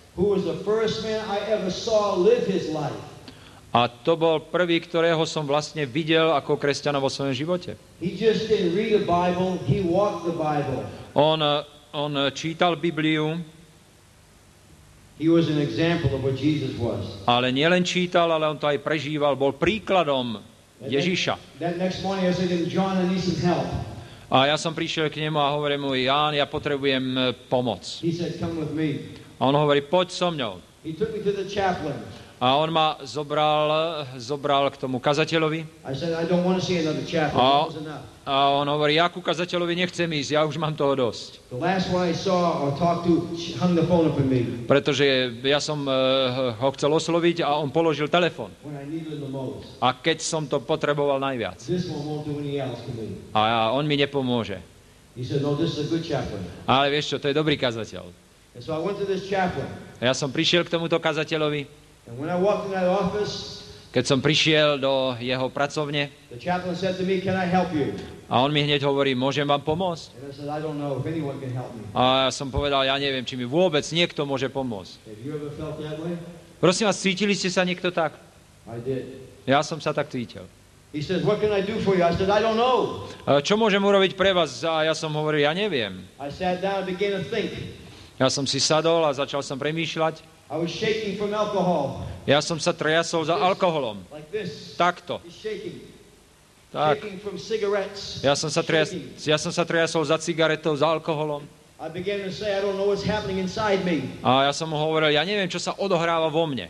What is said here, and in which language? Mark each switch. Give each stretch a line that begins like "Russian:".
English: Who was the first man I ever saw live his life?
Slovak: A to bol prvý, ktorého som vlastne videl ako kresťana vo svojom živote.
English: He just didn't read the Bible, he walked the Bible.
Slovak: On čítal Bibliu.
English: He was an example of what Jesus was.
Slovak: Ale nielen čítal, ale on to aj prežíval. Bol príkladom Ježiša.
English: That next morning I said to him, John, I need some help.
Slovak: A ja som prišiel k nemu a hovorím mu, Ján, ja potrebujem pomoc.
English: He said, come with me.
Slovak: A on hovorí, poď so mňou.
English: He took me to the chaplain.
Slovak: A on ma zobral k tomu kazateľovi.
English: I said, I don't want to see another chaplain. That was enough.
Slovak: A on hovorí, ja ku kazateľovi nechcem ísť, ja už mám toho dosť.
English: The last one I saw or talked to hung the phone up in me.
Slovak: Pretože ja som ho chcel osloviť a on položil telefon.
English: When I needed the most.
Slovak: A keď som to potreboval najviac.
English: This one won't do any else for me.
Slovak: A on mi nepomôže.
English: He said, no, this is a good chaplain.
Slovak: Ale vieš čo, to je dobrý kazateľ.
English: And so I went to this chaplain.
Slovak: A ja som prišiel k tomuto kazateľovi.
English: And when I walked in that office,
Slovak: keď som prišiel do jeho pracovne,
English: the chaplain said to me, can I help you?
Slovak: A on mi hneď hovorí, môžem vám pomôcť?
English: And I said, I don't know if anyone can help me.
Slovak: A ja som povedal, ja neviem, či mi vôbec niekto môže pomôcť.
English: Have you ever felt that way?
Slovak: Prosím vás, cítili ste sa niekto tak?
English: I did.
Slovak: Ja som sa tak cítil.
English: He says, what can I do for you? I said, I don't know.
Slovak: Čo môžem urobiť pre vás? A ja som hovoril, ja neviem.
English: I sat down and began to think.
Slovak: Ja som si sadol a začal som premýšľať.
English: I was shaking from alcohol.
Slovak: Ja som sa triasol za alkoholom.
English: Like this.
Slovak: Takto.
English: He's shaking.
Slovak: Tak.
English: Shaking from cigarettes.
Slovak: Ja som sa triasol za cigaretou, za alkoholom.
English: I began to say, I don't know what's happening inside me.
Slovak: A ja som mu hovoril, ja neviem, čo sa odohráva vo mne.